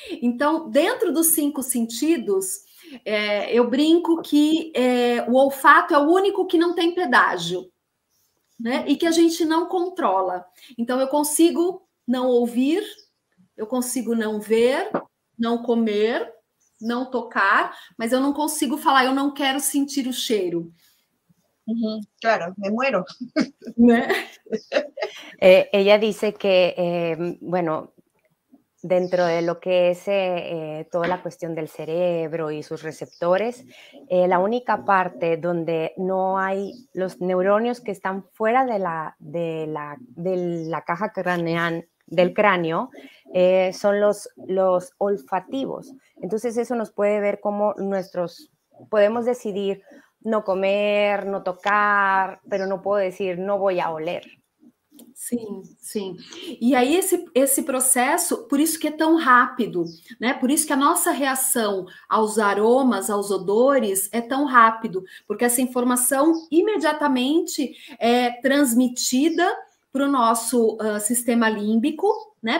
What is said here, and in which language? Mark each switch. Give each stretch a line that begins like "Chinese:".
Portuguese: Então, dentro dos cinco sentidos... Eu brinco que o olfato é o único que não tem pedágio, né? E que a gente não controla. Então, eu consigo não ouvir, eu consigo não ver, não comer, não tocar, mas eu não consigo falar, eu não quero sentir o cheiro.
Spanish: Claro, me muero.
Portuguese: Né?
Spanish: Ella dice que, bueno, dentro de lo que es toda la cuestión del cerebro y sus receptores, la única parte donde no hay los neuronios que están fuera de la caja craneal, del cráneo, son los olfativos. Entonces eso nos puede ver cómo nuestros, podemos decidir no comer, no tocar, pero no puedo decir no voy a oler.
Portuguese: Sim, sim. E aí esse processo, por isso que é tão rápido, né? Por isso que a nossa reação aos aromas, aos odores é tão rápido, porque essa informação imediatamente é transmitida para o nosso sistema límbico, né?